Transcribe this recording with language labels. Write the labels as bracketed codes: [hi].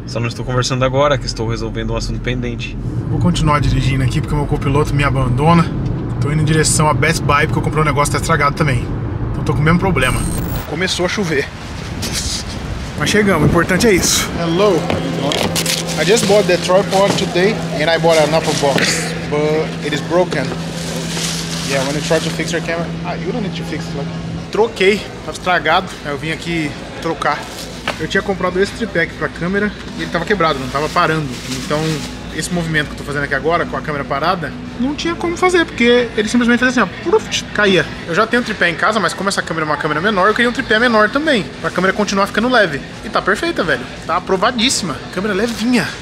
[pt] Só não estou conversando agora, que estou resolvendo um assunto pendente. Vou continuar dirigindo aqui, porque o meu copiloto me abandona. Tô indo em direção à Best Buy, porque eu comprei um negócio que tá estragado também. Então tô com o mesmo problema. Começou a chover. Mas chegamos, o importante é isso. [en] Hello. I just bought the tripod today and I bought another box, but it is broken. Yeah, when you try to fix your camera. Ah, you don't need to fix it. Like... [pt] Troquei, tava estragado, aí eu vim aqui trocar. Eu tinha comprado esse tripé aqui pra câmera e ele tava quebrado, não tava parando. Então, esse movimento que eu tô fazendo aqui agora, com a câmera parada, não tinha como fazer, porque ele simplesmente fez assim, ó, puf, caía. Eu já tenho um tripé em casa, mas como essa câmera é uma câmera menor, eu queria um tripé menor também, pra câmera continuar ficando leve. E tá perfeita, velho. Tá aprovadíssima. Câmera levinha.